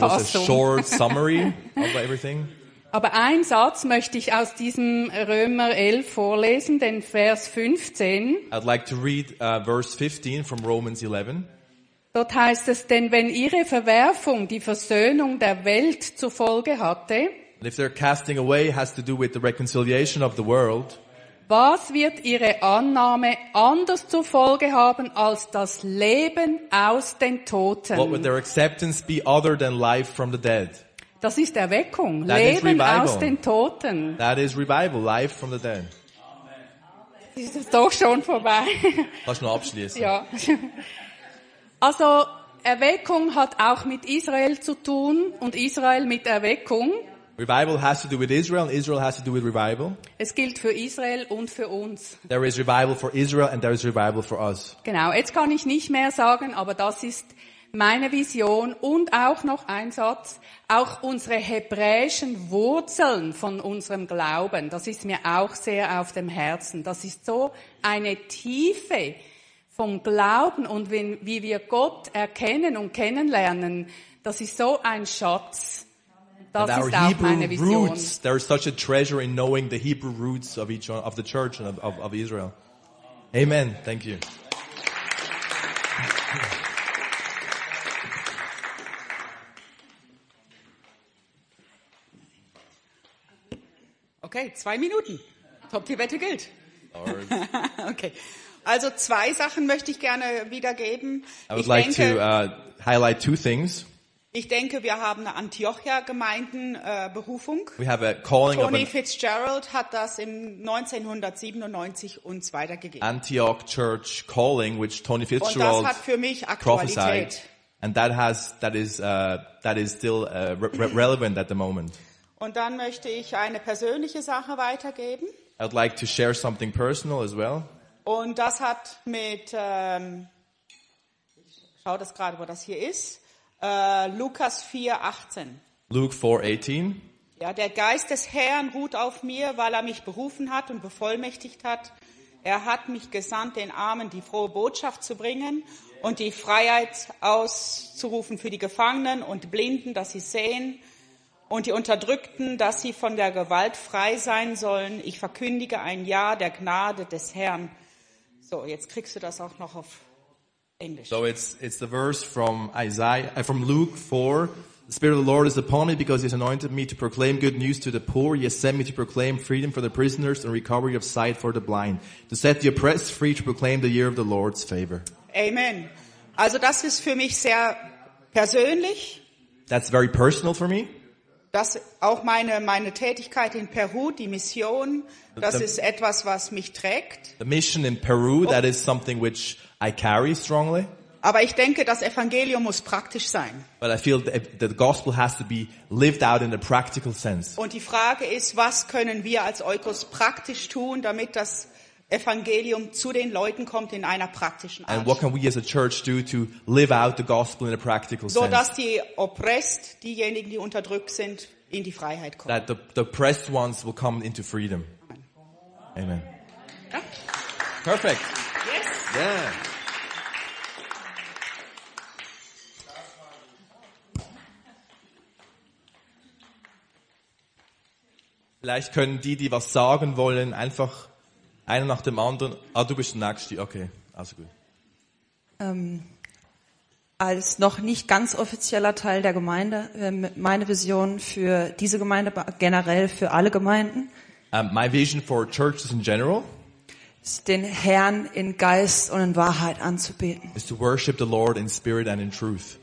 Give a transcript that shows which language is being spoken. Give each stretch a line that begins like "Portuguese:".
English: That was a short summary of everything.
German: Aber einen Satz möchte ich aus diesem Römer 11 vorlesen, den Vers 15.
English: I'd like to read verse 15 from Romans 11.
German: Dort heißt es, denn wenn ihre Verwerfung die Versöhnung der Welt zur Folge hatte,
English: and if their casting away has to do with the reconciliation of the world,
German: was wird ihre Annahme anders zur Folge haben als das Leben aus den Toten?
English: What would their acceptance be other than life from the dead?
German: Das ist Erweckung, Leben aus den Toten.
English: That is revival, life from the dead.
German: Amen. Ist das doch schon vorbei. Kannst du noch abschließen? Ja. Also, Erweckung hat auch mit Israel zu tun und Israel mit Erweckung.
English: Revival has to do with Israel, and Israel has to do with revival.
German: Es gilt für Israel und für uns.
English: There is revival for Israel and there is revival for us.
German: Genau, jetzt kann ich nicht mehr sagen, aber das ist meine Vision und auch noch ein Satz, auch unsere hebräischen Wurzeln von unserem Glauben, das ist mir auch sehr auf dem Herzen. Das ist so eine Tiefe vom Glauben und wie wir Gott erkennen und kennenlernen, das ist so ein Schatz. Das ist auch meine Vision.
English: Roots, there is such a treasure in knowing the Hebrew roots of each one, of the church and of Israel. Amen. Thank you.
German: Okay, 2 Minuten. Top, die Wette gilt.
English: Lord.
German: Okay. Also 2 Sachen möchte ich gerne wiedergeben.
English: I would like to highlight 2 things.
German: Ich denke, wir haben eine Antiochia-Gemeinden-Berufung.
English: We have a calling.
German: Tony Fitzgerald hat das im 1997 uns weitergegeben.
English: Antioch Church Calling, which Tony Fitzgerald.
German: Und das hat für mich Aktualität.
English: And that is still relevant at the moment.
German: Und dann möchte ich eine persönliche Sache weitergeben.
English: I'd like to share something personal as well.
German: Und das hat mit, ich schaue das gerade, wo das hier ist, Lukas 4:18.
English: Luke 4:18.
German: Ja, der Geist des Herrn ruht auf mir, weil er mich berufen hat und bevollmächtigt hat. Er hat mich gesandt, den Armen die frohe Botschaft zu bringen und die Freiheit auszurufen für die Gefangenen und Blinden, dass sie sehen. Und die Unterdrückten, dass sie von der Gewalt frei sein sollen. Ich verkündige ein Jahr der Gnade des Herrn. So, jetzt kriegst du das auch noch auf Englisch.
English: So, it's the verse from Isaiah, from Luke 4. The Spirit of the Lord is upon me, because he has anointed me to proclaim good news to the poor. He has sent me to proclaim freedom for the prisoners and recovery of sight for the blind. To set the oppressed free, to proclaim the year of the Lord's favor.
German: Amen. Also das ist für mich sehr persönlich.
English: That's very personal for me.
German: Das auch meine Tätigkeit in Peru, die Mission, das ist etwas, was mich trägt.
English: The mission in Peru, that is something which I carry strongly.
German: Aber ich denke, das Evangelium muss praktisch sein.
English: But I feel that the gospel has to be lived out in a practical sense.
German: Und die Frage ist, was können wir als Oikos praktisch tun, damit das Evangelium zu den Leuten kommt in einer praktischen Art.
English: And what can we as a church do to live out the gospel in a practical sense?
German: So dass die oppressed, diejenigen, die unterdrückt sind, in die Freiheit kommen.
English: That the oppressed ones will come into freedom. Amen. Amen.
German: Ja.
English: Perfect. Yes. Yeah.
German: Vielleicht können die was sagen wollen, einfach einer nach dem anderen. Ah, du bist der Nächste. Okay, also gut. Als noch nicht ganz offizieller Teil der Gemeinde, meine Vision für diese Gemeinde, generell für alle Gemeinden.
English: My vision for churches in general.
German: Ist, den Herrn in Geist und in Wahrheit anzubeten.
English: Is to worship the Lord in spirit and in truth.